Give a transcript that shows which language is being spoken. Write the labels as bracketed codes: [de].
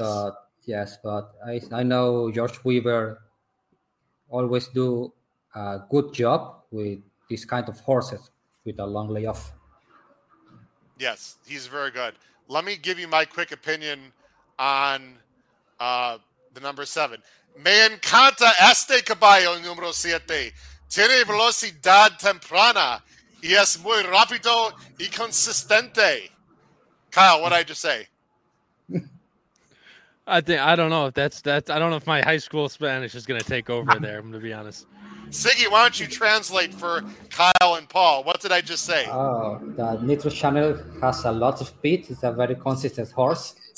[en] But yes, but I know George Weaver always do a good job with this kind of horses with a long layoff. Yes, he's very good. Let me give you my quick opinion on the number 7. [es] Me encanta este caballo número 7. Tiene velocidad temprana y es muy rápido y consistente. [en] Kyle, what did I just say? I don't know if my high school Spanish is going to take over there. I'm going to be honest. Siggy, why don't you translate for Kyle and Paul? What did I just say? Oh, the Nitro Channel has a lot of speed. It's a very consistent horse.